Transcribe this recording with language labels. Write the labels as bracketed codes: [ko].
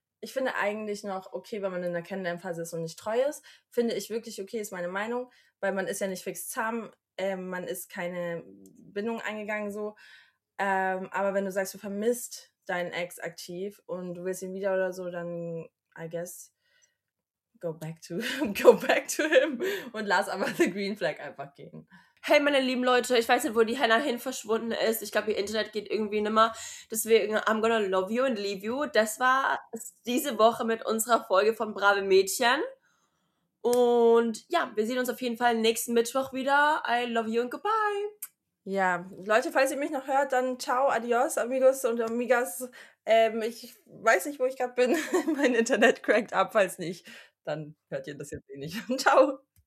[de] ich finde eigentlich noch okay, wenn man in der Kennenlernphase ist und nicht treu ist, finde ich wirklich okay, ist meine Meinung, weil man ist ja nicht fix zahm, man ist keine Bindung eingegangen so, aber wenn du sagst, du vermisst deinen Ex aktiv und du willst ihn wieder oder so, dann [en] I guess go back to him [de] und lass aber [en] the green flag [de] einfach gehen. Hey, meine lieben Leute, ich weiß nicht, wo die Hannah hin verschwunden ist. Ich glaube, ihr Internet geht irgendwie nimmer. Deswegen, [en] I'm gonna love you and leave you. [de] Das war diese Woche mit unserer Folge von Brave Mädchen. Und ja, wir sehen uns auf jeden Fall nächsten Mittwoch wieder. [en] I love you and goodbye. [de] Ja, Leute, falls ihr mich noch hört, dann ciao, [es] adios, amigos [de] und amigas. Ich weiß nicht, wo ich gerade bin. Mein Internet crackt ab. Falls nicht, dann hört ihr das jetzt eh nicht. Ciao.